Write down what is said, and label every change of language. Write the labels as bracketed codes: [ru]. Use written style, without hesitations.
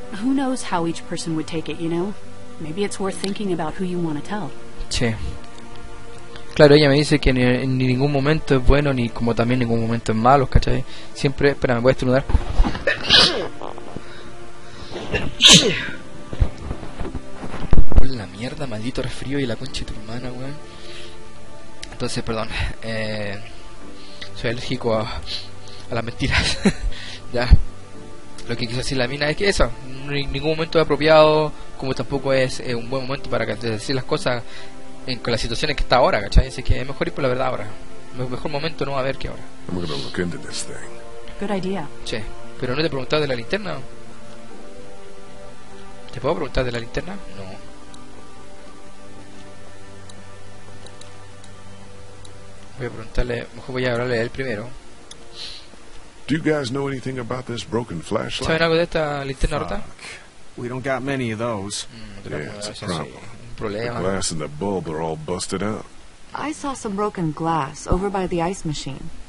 [en] Who knows how each person would take it, you know? Maybe it's worth thinking about who you want to tell. [es] Sí. Claro, ella me dice que ni ningún momento es bueno, ni como también ningún momento es malo, ¿cachai? Siempre, espera, me voy a estornudar. Oh, la mierda, maldito resfrío y la concha de tu hermana, weón. Entonces, perdón. Soy alérgico a las mentiras. Ya. Lo que quiso decir la mina es que eso, ningún momento es apropiado, como tampoco es un buen momento para decir las cosas con las situaciones que está ahora, ¿cachai? Así que es mejor ir por la verdad ahora. Mejor momento no va a haber que ahora. [en] Good idea. [es] Che, pero no te he preguntado de la linterna. ¿Te puedo preguntar de la linterna? No. Voy a preguntarle, mejor voy a hablarle a él primero. [en] Do you guys know anything about this broken flashlight? [es] ¿Saben algo de esta linterna rota? [en] We don't got many of those. The glass and the bulb are all busted out. I saw some broken glass over by the ice machine.